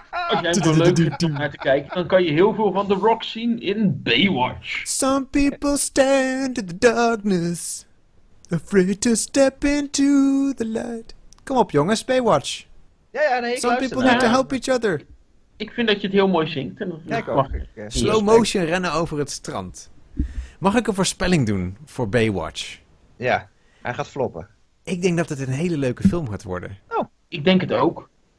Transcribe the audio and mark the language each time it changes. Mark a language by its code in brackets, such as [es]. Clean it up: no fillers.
[nl] Als jij nou leuk vindt om naar te kijken, dan kan je heel veel van The Rock zien in Baywatch. [en] Some people stand in the darkness, afraid to step into the light. [nl] Kom op jongens, Baywatch. Ja, ja, nee, ik [en] Some people need to help each other. [nl] Ik vind dat je het heel mooi zingt. Slow motion rennen over het strand. Mag ik een voorspelling doen voor Baywatch? Ja, hij gaat floppen. Ik denk dat het een hele leuke film gaat worden. Oh, ik denk het ook.